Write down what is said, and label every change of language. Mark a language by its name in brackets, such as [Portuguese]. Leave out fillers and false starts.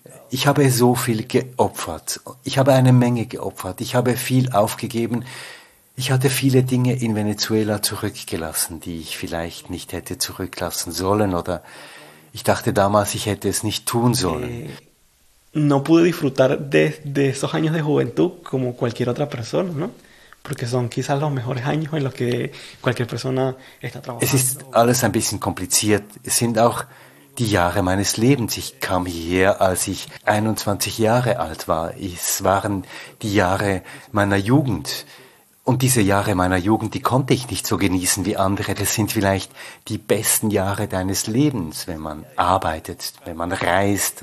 [German] Ich habe so viel geopfert. Ich habe eine Menge geopfert. Ich habe viel aufgegeben. Ich hatte viele Dinge in Venezuela zurückgelassen, die ich vielleicht nicht hätte zurücklassen sollen. Oder ich dachte damals, ich hätte es nicht tun sollen. [Spanish] No pude disfrutar de esos años de juventud como cualquier otra persona, ¿no? Porque son quizás los mejores años en los que cualquier persona está [German] Es ist [Spanish] trabajando. [German] alles ein bisschen kompliziert. Es sind auch die Jahre meines Lebens. Ich kam hierher, als ich 21 Jahre alt war. Es waren die Jahre meiner Jugend. Und diese Jahre meiner Jugend, die konnte ich nicht so genießen wie andere. Das sind vielleicht die besten Jahre deines Lebens, wenn man arbeitet, wenn man reist.